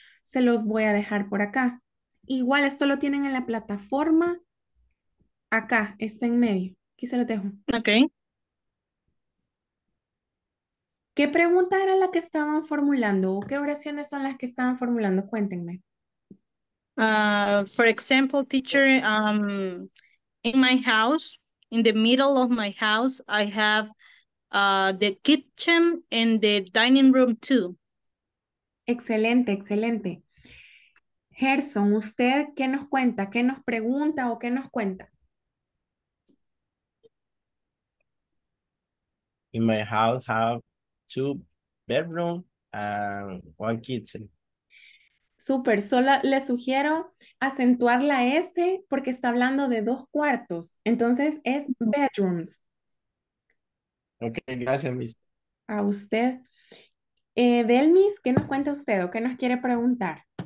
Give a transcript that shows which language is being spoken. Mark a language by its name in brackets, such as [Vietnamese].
[Spanish] Se los voy a dejar por acá. Igual esto lo tienen en la plataforma. Acá, está en medio. Aquí se lo dejo. Ok. ¿Qué pregunta era la que estaban formulando? ¿O qué oraciones son las que estaban formulando? Cuéntenme. [English] For example, teacher, in my house, in the middle of my house, I have the kitchen and the dining room too. [Spanish] Excelente, excelente. Gerson, ¿usted qué nos cuenta? ¿Qué nos pregunta o qué nos cuenta? [English] In my house have two bedrooms and one kitchen. [Spanish] Súper, solo le sugiero acentuar la S porque está hablando de dos cuartos. Entonces es bedrooms. Ok, gracias, Miss. A usted. Delmis, ¿qué nos cuenta usted o qué nos quiere preguntar?